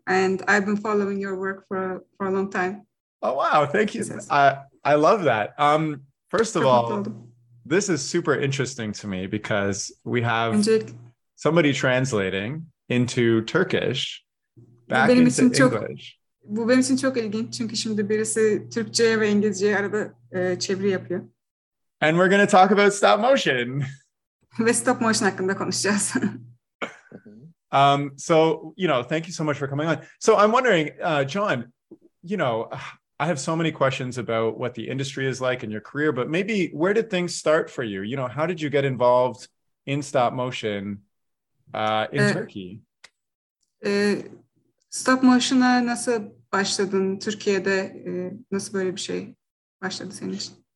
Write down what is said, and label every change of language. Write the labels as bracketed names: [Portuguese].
[English] And I've been following your work for a long time. Oh, wow. Thank you. I love that. First of all, this is super interesting to me because we have somebody translating into Turkish back into English. [Turkish] Bu benim için çok ilginç çünkü şimdi birisi Türkçe'ye ve İngilizce'ye arada çeviri yapıyor. [English] And we're going to talk about stop motion. [Turkish] Ve stop motion hakkında konuşacağız. [English] So, you know, thank you so much for coming on. So I'm wondering, John, you know, I have so many questions about what the industry is like in your career, but maybe where did things start for you? You know, how did you get involved in stop motion in Turkey? [Turkish] Stop motion'a nasıl başladın? Türkiye'de nasıl böyle bir şey başladı senin için?